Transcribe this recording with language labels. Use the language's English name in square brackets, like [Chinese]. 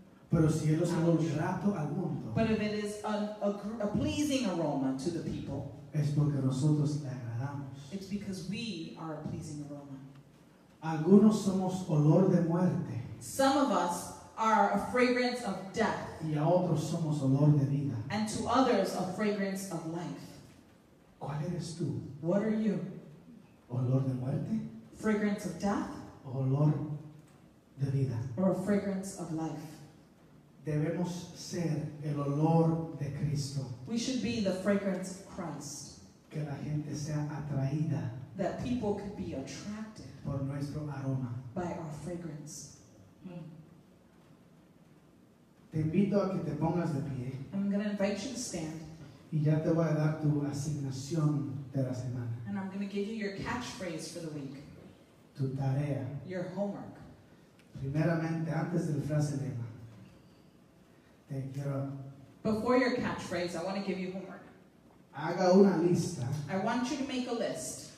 [Spanish] Pero si él es un olor grato al mundo. [English] But if it is a pleasing aroma to the people. [Spanish] Es porque nosotros le agradamos. [English] It's because we are a pleasing aroma. [Spanish] Algunos somos olor de muerte. [English] Some of us are a fragrance of death. [Spanish] Y a otros somos olor de vida. [English] And to others, a fragrance of life. [Spanish] ¿Cuál eres tú? [English] What are you? [Spanish] Olor de muerte. [English] Fragrance of death. [Spanish] Olor de vida. [English] Or a fragrance of life. [Spanish] Debemos ser el olor de Cristo. [English] We should be the fragrance of Christ. [Spanish] Que la gente sea atraída. [English] That people could be attracted. [Spanish] Por nuestro aroma. [English] By our fragrance. [Spanish] Te invito a que te pongas de pie. [English] I'm going to invite you to stand. [Spanish] Y ya te voy a dar tu asignación de la semana. [English] And I'm going to give you your catchphrase for the week. [Spanish] Tu tarea. [English] Your homework. [Spanish] Primeramente, antes del frase de ma. Te quiero. [English] Before your catchphrase, I want to give you homework. [Spanish] Haga una lista. [English] I want you to make a list.